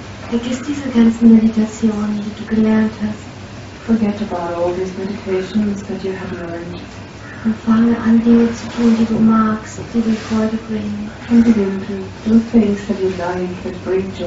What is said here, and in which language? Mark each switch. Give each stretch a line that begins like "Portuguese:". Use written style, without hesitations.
German: Vergiss diese ganzen Meditationen, die du gelernt hast.
English: Forget about all these meditations that you have learned.
German: Und fange an, Dinge zu tun, die du magst, die dir Freude bringen.
English: And begin to do things that you like, that bring joy.